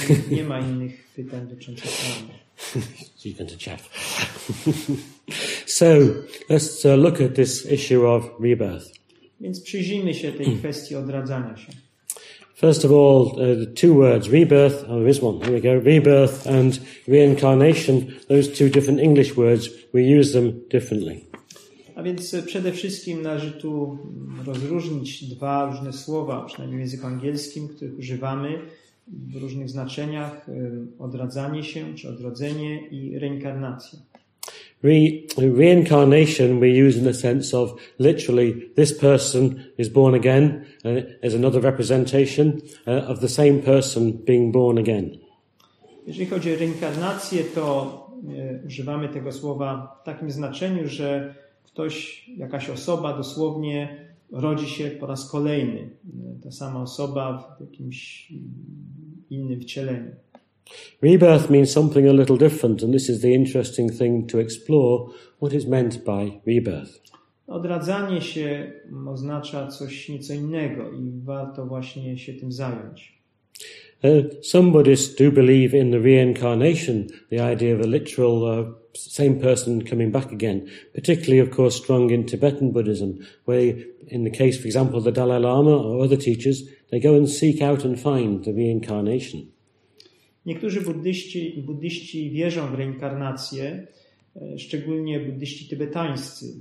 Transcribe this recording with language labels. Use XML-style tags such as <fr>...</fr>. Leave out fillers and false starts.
<pl>Nie ma innych pytań dotyczących karmy.</pl> <en>She's going to chat. So, let's look at this issue of rebirth.</en> <pl>Więc przyjrzyjmy się tej kwestii odradzania się.</pl> <en>First of all, the 2 words, rebirth, oh, there is one, here we go, rebirth and reincarnation, those 2 different English words, we use them differently.</en> <pl>A więc przede wszystkim należy tu rozróżnić 2 różne słowa, przynajmniej w języku angielskim, których używamy w różnych znaczeniach, odradzanie się, czy odrodzenie i reinkarnacja.</pl> <en>Reincarnation we use in the sense of literally this person is born again as another representation of the same person being born again.</en> <pl>Jeżeli chodzi o reinkarnację, to używamy tego słowa w takim znaczeniu, że ktoś, jakaś osoba dosłownie rodzi się po raz kolejny. Ta sama osoba w jakimś innym wcieleniu.</pl> <en>Rebirth means something a little different, and this is the interesting thing to explore, what is meant by rebirth.</en> <pl>Odradzanie się oznacza coś nieco innego i warto właśnie się tym zająć.</pl> <en>Some Buddhists do believe in the reincarnation, the idea of a literal same person coming back again, particularly, of course, strong in Tibetan Buddhism, where in the case, for example, the Dalai Lama or other teachers, they go and seek out and find the reincarnation.</en> <pl>Niektórzy buddyści wierzą w reinkarnację, szczególnie buddyści tybetańscy.</pl>